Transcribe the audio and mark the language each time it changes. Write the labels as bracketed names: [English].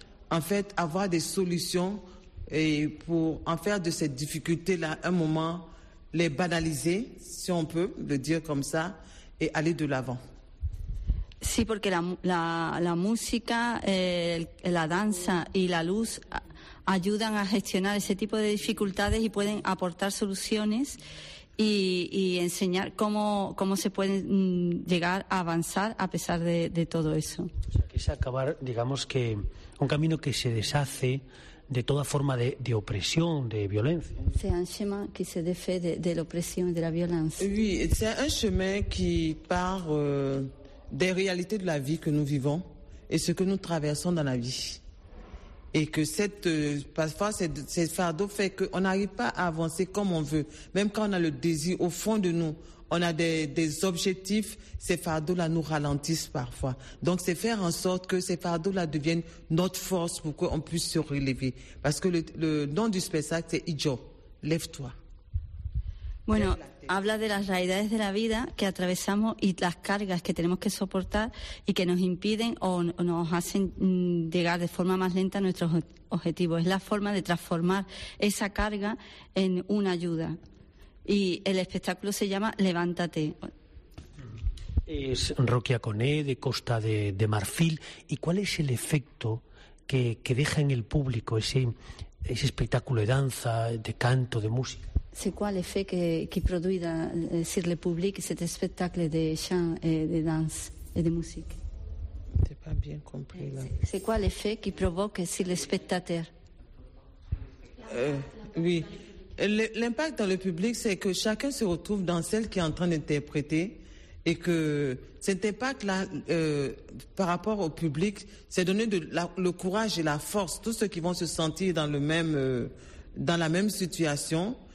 [French] En fait, avoir des solutions et pour en faire de cette difficulté-là un moment, les banaliser, si on peut le dire comme ça, et aller de l'avant. [Spanish] Sí, porque la música, la danza y la luz ayudan a gestionar ese tipo de dificultades y pueden aportar soluciones y enseñar cómo se puede llegar a avanzar a pesar de todo eso. O sea, que es acabar, digamos que... Un camino que se deshace de toda forma de opresión, de violencia. [French] C'est un chemin qui se défait de l'oppression et de la violence. Oui, c'est un chemin qui part des réalités de la vie que nous vivons et ce que nous traversons dans la vie. Et que parfois, ces fardeaux fait qu'on n'arrive pas à avancer comme on veut. Même quand on a le désir au fond de nous, on a des objectifs, ces fardeaux-là nous ralentissent parfois. Donc c'est faire en sorte que ces fardeaux-là deviennent notre force pour qu'on puisse se relever. Parce que le nom du spectacle, c'est Ijo, lève-toi. [Spanish] Bueno, habla de las realidades de la vida que atravesamos y las cargas que tenemos que soportar y que nos impiden o nos hacen llegar de forma más lenta a nuestros objetivos. Es la forma de transformar esa carga en una ayuda. Y el espectáculo se llama Levántate. Es Rocky Aconé, de Costa de Marfil. ¿Y cuál es el efecto que deja en el público ese espectáculo de danza, de canto, de música? [French] C'est quoi l'effet qui produit sur le public cet spectacle de chant et de danse et de musique? J'ai pas bien compris là. C'est quoi l'effet qui provoque sur les spectateurs? Oui. L'impact dans le public, c'est que chacun se retrouve dans celle qui est en train d'interpréter et que cet impact-là, par rapport au public, c'est donner le courage et la force, tous ceux qui vont se sentir dans la même situation.